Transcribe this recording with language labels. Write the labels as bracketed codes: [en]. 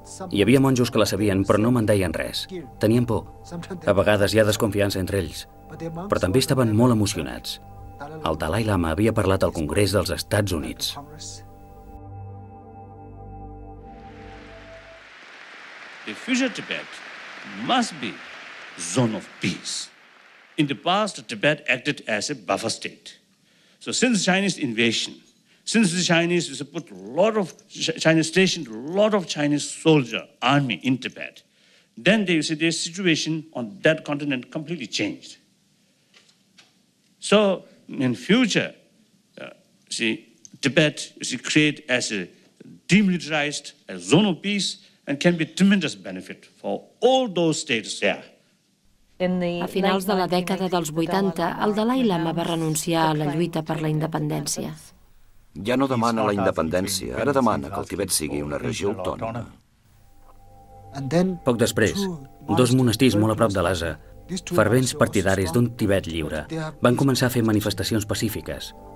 [ca] Hi havia monjos que la sabien, però no me'n deien res. Tenien por. A vegades hi ha desconfiança entre ells. Però també estaven molt emocionats. El Dalai Lama havia parlat al Congrés dels Estats Units. [en] The future Tibet must be zone of peace. In the past, Tibet acted as a buffer state. So since Chinese invasion, since the Chinese put a lot of Chinese stationed a lot of Chinese soldier army in Tibet, then they see the situation on that continent completely changed. So in future, Tibet is created as a demilitarized a zone of peace and can be a tremendous benefit for all those states there. [ca] A finals de la dècada dels 80, el Dalai Lama va renunciar a la lluita per la independència. Ja no demana la independència, ara demana que el Tibet sigui una regió autònoma. Poc després, dos monestirs molt a prop de Lhasa, fervents partidaris d'un Tibet lliure, van començar a fer manifestacions pacífiques.